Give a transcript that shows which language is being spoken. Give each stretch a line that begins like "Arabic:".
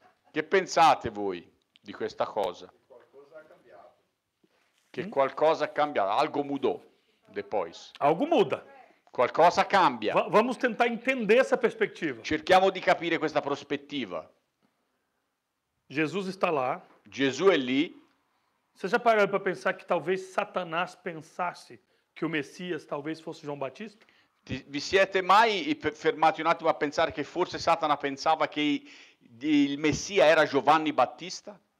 Italian: Che pensate voi di questa cosa? Che qualcosa ha cambiato?
Portuguese: Algo mudò, depois. Algo muda.
Italian: Qualcosa cambia.
Portuguese: Vamos tentar entender essa perspectiva.
Italian: Cerchiamo di capire questa prospettiva. Gesù sta là. Gesù è lì.
Portuguese: Você já parou para pensar que talvez Satanás pensasse que o Messias talvez fosse João Batista?
Italian: Vi siete mai fermati un attimo a pensare che forse Satana pensava che il Messia era Giovanni Battista?